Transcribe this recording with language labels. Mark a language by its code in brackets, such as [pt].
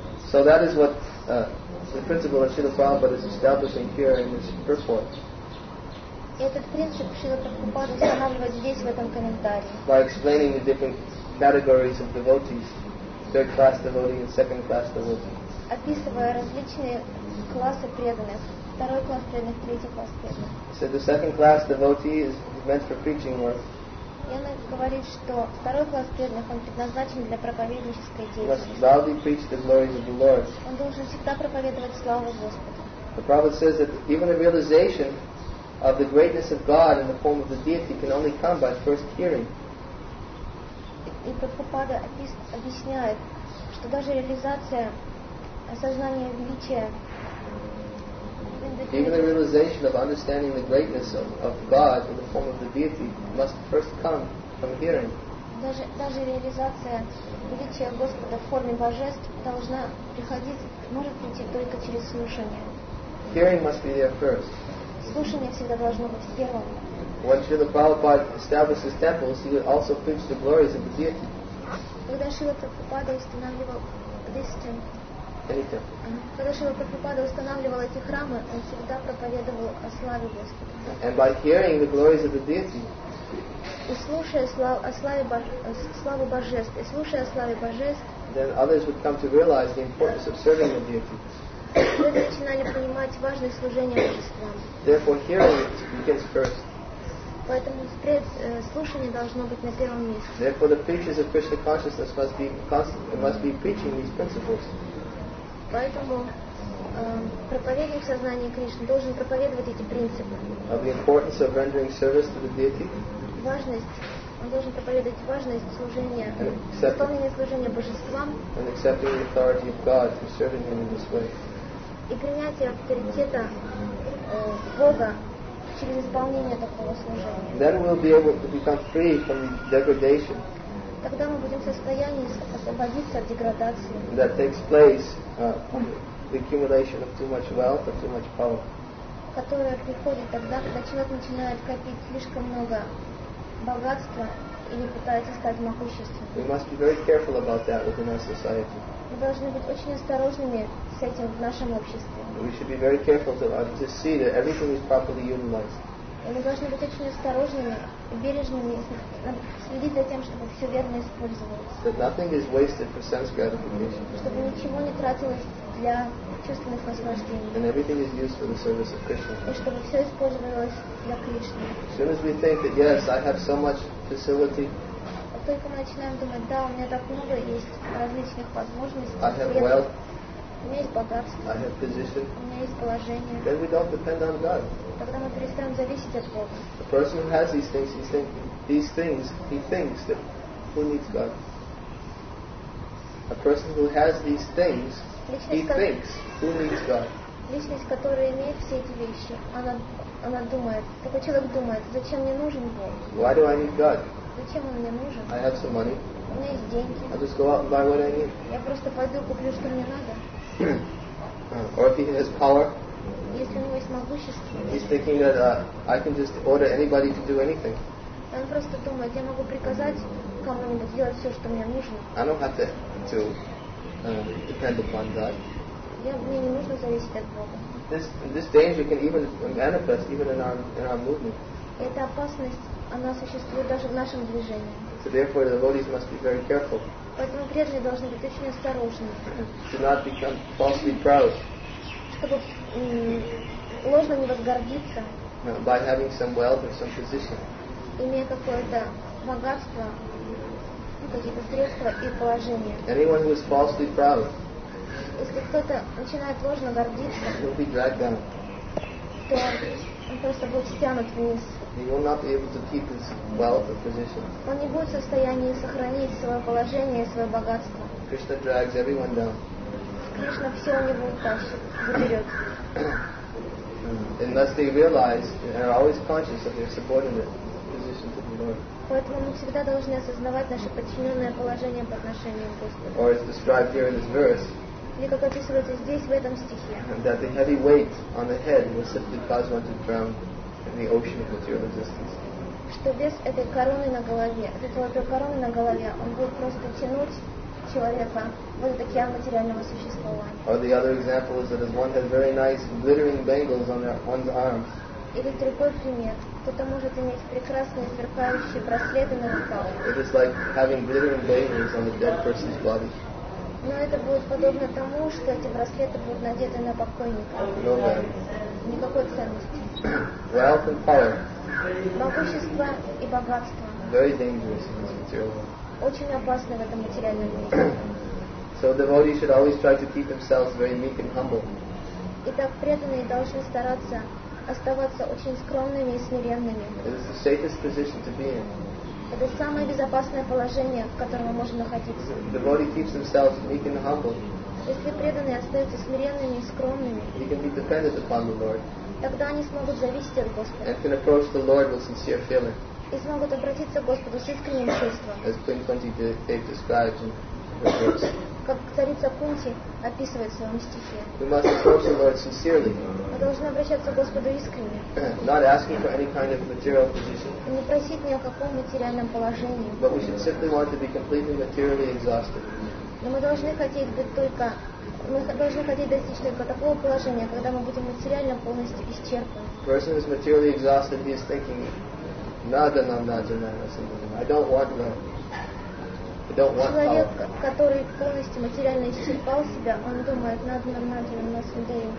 [en] So that is what the principle of Srila Prabhupada is establishing here in this purport. [ru] И этот принцип Шрила Прабхупада устанавливает здесь, в этом комментарии. [en] By explaining the different categories of devotees, third class devotee and second class devotee. [ru] Описывая различные классы преданных. Второй класс преданных, третий класс преданных. [en] So the second class devotee is meant for preaching work. [ru] И он говорит, что второй класс преданных, он предназначен для проповеднической деятельности. Он должен всегда проповедовать славу Господу. [en] The Prophet says that even a realization of the greatness of God in the form of the deity can only come by first hearing. [ru] И Прабхупада объясняет, что даже реализация осознания величия, [en] even the realization of understanding the greatness of God in the form of the deity must first come from hearing. [ru] Даже реализация величия Господа в форме божеств должна приходить, может прийти только через слушание. [en] Hearing must be there first. [ru] Слушание всегда должно быть первым. [en] When Srila Prabhupada established his temples, he would also preach the glories of the deity. [ru] Когда Шрила Прабхупада устанавливал Кришна. Когда Шрила Прабхупада устанавливал эти храмы, он всегда проповедовал о славе Господа. [en] And by hearing the glories of the deity, [ru] и слушая славу божеств, и слушая славе божеств, [en] then others would come to realize the importance of serving the deity. [ru] Люди начинали понимать важность служения божествам. [en] Therefore, hearing begins first. [ru] Поэтому слушание должно быть на первом месте. [en] Therefore, the preachers of Krishna consciousness must be preaching these principles. [ru] Поэтому проповедник сознания Кришны должен проповедовать эти принципы. [en] Of the importance of rendering service to the deity. [ru] Важность. Он должен проповедовать важность служения, исполнения служения божествам. [en] And accepting the authority of God to serve Him in this way. [ru] И принятие авторитета Бога через исполнение такого служения. [en] Then we'll be able to become free from degradation. [ru] Тогда мы будем в состоянии освободиться от деградации. [en] That takes place from the accumulation of too much wealth or too much power. [ru] которое приходит тогда, когда человек начинает копить слишком много богатства или пытается стать могуществом. [en] We must be very careful about that within our society. [ru] Мы должны быть очень осторожными с этим в нашем обществе. [en] We should be very careful to see that everything is properly utilized. [ru] И мы должны быть очень осторожными, бережными, следить за тем, чтобы все верно использовалось. [en] That nothing is wasted for sense gratification. [ru] Чтобы ничего не тратилось для чувственных наслаждений. [en] And everything is used for the service of Krishna. [ru] И чтобы все использовалось для Кришны. [en] As soon as we think that yes, I have so much facility. [ru] Как только мы начинаем думать, да, у меня так много есть различных возможностей. [en] I have wealth. [ru] У меня есть богатство. [en] I have position. [ru] У меня есть положение. [en] Then we don't depend on God. [ru] Тогда мы перестаем зависеть от Бога. [en] The person who has these things, he thinks that who needs God? A person who has these things, he thinks who needs God? [ru] Личность, которая имеет все эти вещи, она думает. Такой человек думает, зачем мне нужен Бог? [en] Why do I need God? [ru] Зачем он мне нужен? [en] I have some money. [ru] У меня есть деньги. [en] I'll just go out and buy what I need. [ru] Я просто пойду куплю, что мне надо. [en] Or if he has power, [ru] если у него есть могущество, [en] he's thinking that I can just order anybody to do anything. [ru] Он просто думает, я могу приказать кому-нибудь сделать все, что мне нужно. [en] I don't have to depend upon God. [ru] Мне не нужно зависеть от Бога. [en] This danger can even manifest even in our movement. [ru] Эта опасность, она существует даже в нашем движении. [en] So therefore, the devotees must be very careful. [ru] Поэтому прежде должны быть очень осторожны. [en] To not become falsely proud. [ru] Чтобы ложно не возгордиться. [en] By having some wealth or some position. [ru] Имея какое-то богатство, какие-то средства и положение. [en] Anyone who is falsely proud. [ru] Если кто-то начинает ложно гордиться. [en] Will be dragged down. [ru] То он просто будет стянут вниз. [en] He will not be able to keep his wealth or position. [ru] Он не будет в состоянии сохранить свое положение и свое богатство. [en] Krishna drags everyone down. [ru] Krishna все у него заберет. [en] Unless they realize and are always conscious of their subordinate position to the Lord. [ru] Поэтому мы всегда должны осознавать наше подчиненное положение по отношению к Господу. [en] Or it's described here in this verse. [ru] Или как описывается здесь, в этом стихе. [en] That the heavy weight on the head will simply cause one to drown. In the ocean of material existence. [ru] Что без этой короны на голове, золотой короны на голове, он будет просто тянуть человека в этот океан материального существования. [en] Or the other example is that if one has very nice glittering bangles on one's arms. [ru] Или другой пример, кто-то может иметь прекрасные сверкающие браслеты на руках. [en] It is like having glittering bangles on a dead person's body. [ru] Но это будет подобно тому, что эти браслеты будут надеты на покойника. [en] No way. [ru] Никакой ценности. [en] Wealth and power. [ru] Могущество и богатство. [en] Very dangerous in this material world. [ru] Очень опасно в этом материальном мире. [en] So devotees should always try to keep themselves very meek and humble. [ru] Итак, преданные должны стараться оставаться очень скромными и смиренными. [en] It is the safest position to be in. [ru] Это самое безопасное положение, в котором мы можем находиться. [en] Devotee keeps himself meek and humble. [ru] Если преданные остаются смиренными и скромными, [en] he can be dependent upon the Lord. [ru] Тогда они смогут зависеть от Господа. [en] And can approach the Lord with sincere feeling. [ru] И смогут обратиться к Господу с искренним чувством. [en] As Queen Kunti describes in her verse. [ru] Как царица Кунти описывает в своем стихе. [en] We must approach the Lord sincerely. [ru] Мы должны обращаться к Господу искренне. [en] Not asking for any kind of material position. [ru] И не просить ни о каком материальном положении. [en] But we should simply want to be completely materially exhausted. [ru] Но мы должны хотеть быть только. Мы должны хотеть достичь только такого положения, когда мы будем материально полностью исчерпаны. [en] Person is materially exhausted, he is thinking, nada nam nada nada something. I don't want. [ru] Человек, который полностью материально исчерпал себя, он думает, nada nam nada nada something.